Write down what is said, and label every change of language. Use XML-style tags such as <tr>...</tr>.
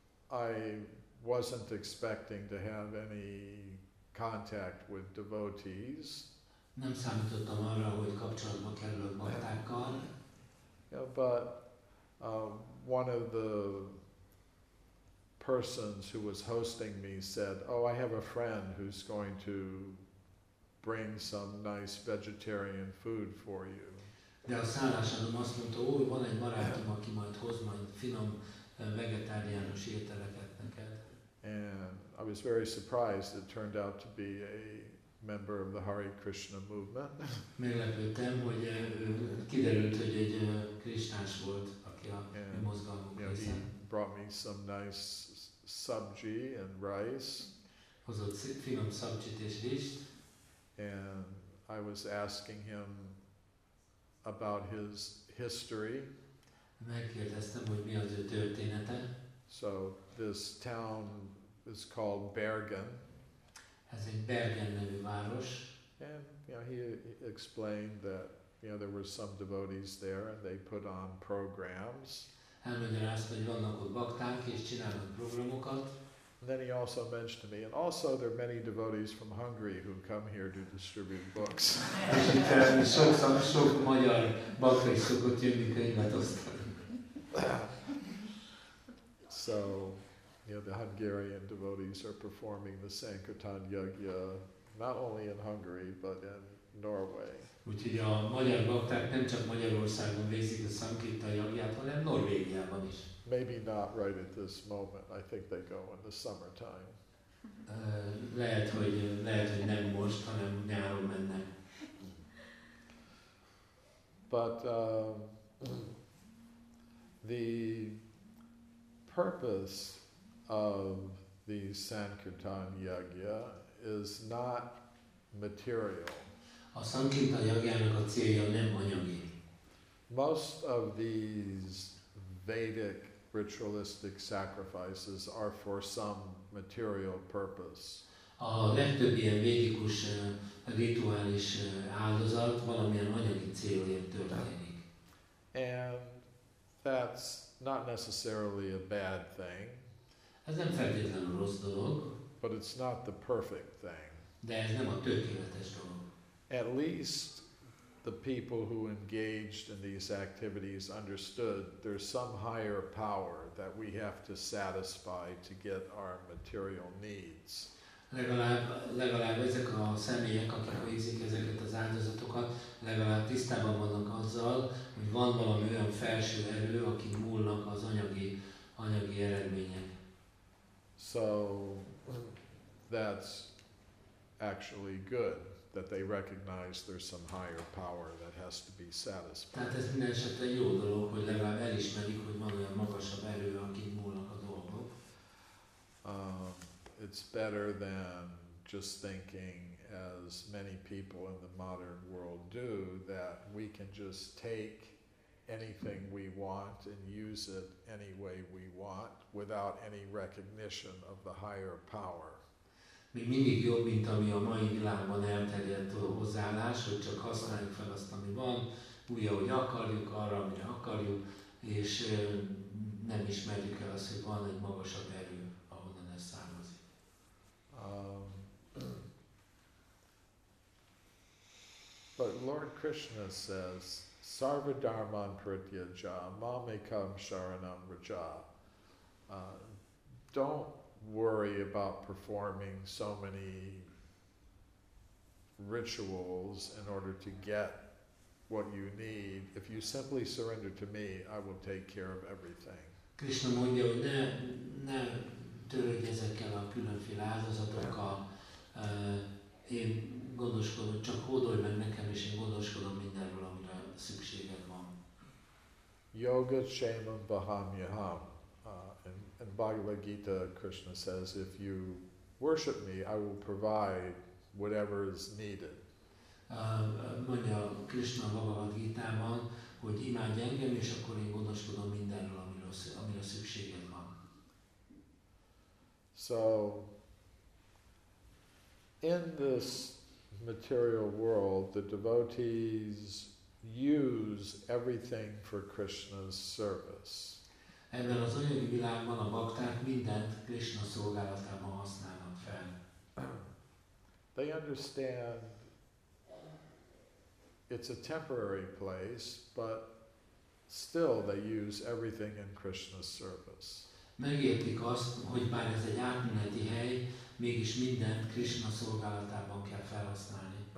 <en>I wasn't expecting to have any contact with devotees.</en> <hu>Nem számítottam arra, hogy kapcsolatba kerülök baktákkal.</hu> <en>Yeah, but one of the persons who was hosting me said, oh, I have a friend who's going to bring some nice vegetarian food for you.</en> <hu>De a szállásadom azt mondta, ó, van egy barátom, aki majd hoz majd finom vegetáriánus ételeket neked.</hu> <en>And I was very surprised it turned out to be a member of the Hare Krishna movement.</en> <hu>Meglepődtem, hogy kiderült, hogy egy kristás volt, aki a mozgalmunk része.</hu> <en>He brought me some nice sabji and rice.</en> <hu>Hozott finom sabjit és rizst.</hu> <en>And I was asking him about his history.</en> <hu>Megkérdeztem, hogy mi az ő története.</hu> <en>So this town is called Bergen.</en> <hu>Ez egy Bergen nevű város.</hu> <en>And you know, he explained that, you know, there were some devotees there and they put on programs.</en> <hu>Elmagyarázta, hogy vannak ott bakták és csinálnak programokat.</hu> <en>And then he also mentioned to me, and also there are many devotees from Hungary who come here to distribute books.</en> <hu>És itt sok magyar bakta is szokott jönni könyvet osztani.</hu> <en>So, you know, the Hungarian devotees are performing the Sankirtan Yagya not only in Hungary but in Norway.</en> <hu>Úgyhogy a magyar bakták nem csak Magyarországon végzik a Sankirtan Yagyát, hanem Norvégiában is.</hu> <en>Maybe not right at this moment. I think they go in the summertime.</en> <hu>Lehet, hogy nem most, hanem nyáron mennek.</hu> <en>But The purpose of the Sankirtan Yajna is not material.</en> <hu>A Sankirtan Yajnának a célja nem anyagi.</hu> <en>Most of these Vedic ritualistic sacrifices are for some material purpose.</en> <hu>A legtöbb ilyen védikus rituális áldozat valamilyen anyagi célért történik.</hu> <en>And that's not necessarily a bad thing.</en> <hu>Ez nem feltétlenül rossz dolog.</hu> <en>But it's not the perfect thing.</en> <hu>De ez nem a tökéletes dolog.</hu> <en>At least the people who engaged in these activities understood there's some higher power that we have to satisfy to get our material needs.</en> <hu>Legalább ezek a személyek, akik végzik ezeket az áldozatokat, legalább tisztában vannak azzal, hogy van valami olyan felső erő, aki múlnak az anyagi eredmények.</hu> <en>So that's actually good, that they recognize there's some higher power that has to be satisfied.</en> <hu>Tehát ez minden esetre jó dolog, hogy legalább elismerik, hogy van olyan magasabb erő, akik múlnak a dolgok.</hu> <en>It's better than just thinking, as many people in the modern world do, that we can just take anything we want and use it any way we want without any recognition of the higher power.</en> <hu>Mi mindig jobb, mint ami a mai világban elterjedt hozzáállás, hogy csak használjuk fel azt, ami van, úgy, ahogy akarjuk, arra, amire akarjuk, és nem ismerjük el azt, hogy van egy magasabb erő, ahonnan ez származik.</hu> <en>But Lord Krishna says,</en> <sa>Sarva Dharman Pratyaja, Mamekam Sharanam Raja.</sa> <en>Don't worry about performing so many rituals in order to get what you need. If you simply surrender to me, I will take care of everything.</en> <hu>Krishna mondja, hogy ne törődj ezekkel a különféle áldozatokkal. Én gondoskodom, csak hódolj meg nekem, és én gondoskodom mindenről, amire szükséged van.</hu> <sa>Yoga Kshemam Vahamyaham.</sa> <en>In Bhagavad Gita, Krishna says, if you worship me, I will provide whatever is needed.</en> <hu>Mondja Krishna Bhagavad Gita-ban, hogy imádj engem, és akkor én gondoskodom mindenről, amire szükséged van.</hu> <en>So, in this material world, the devotees use everything for Krishna's service.</en> <hu>Ebben az anyagi világban a bakták mindent Krishna szolgálatában használnak fel.</hu> <en>They understand it's a temporary place, but still they use everything in Krishna's service.</en> <hu>Megértik azt, hogy bár ez egy átmeneti hely, mégis mindent Krishna szolgálatában kell felhasználni.</hu>